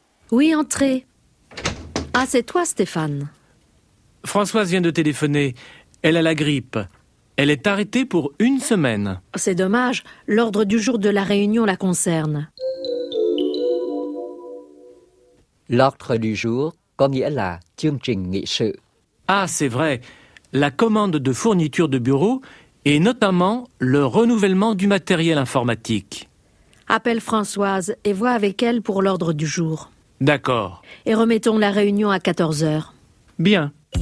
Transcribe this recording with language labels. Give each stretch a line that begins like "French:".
French: Oui, entrez. Ah, c'est toi, Stéphane. Françoise vient de téléphoner. Elle a la grippe. Elle est arrêtée pour une semaine. C'est dommage. L'ordre du jour de la réunion la concerne. L'ordre du jour,
Vietnamese: có nghĩa là chương trình nghị sự.
French: Ah, c'est vrai. La commande de fourniture de bureau et notamment le renouvellement du matériel informatique. Appelle Françoise et vois avec elle pour l'ordre du jour. D'accord. Et remettons la réunion à 14 heures. Bien.